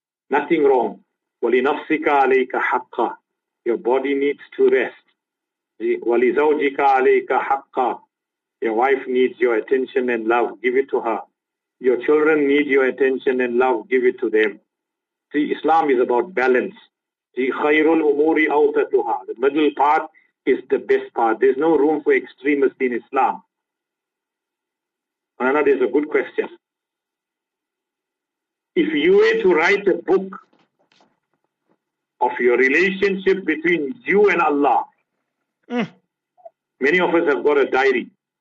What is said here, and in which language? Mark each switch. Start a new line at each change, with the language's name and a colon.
English: Nothing wrong.
Arabic: وَلِنَفْسِكَ عَلَيْكَ حَقَّ.
English: Your body needs to rest.
Arabic: وَلِزَوْجِكَ عَلَيْكَ حَقَّ.
English: Your wife needs your attention and love. Give it to her. Your children need your attention and love. Give it to them. See, Islam is about balance.
Arabic: See, خَيْرُ الْأُمُورِ أَوْتَتُهَا.
English: The middle part is the best part. There's no room for extremists in Islam. Manana, there's a good question. If you were to write a book of your relationship between you and Allah, many of us have got a diary.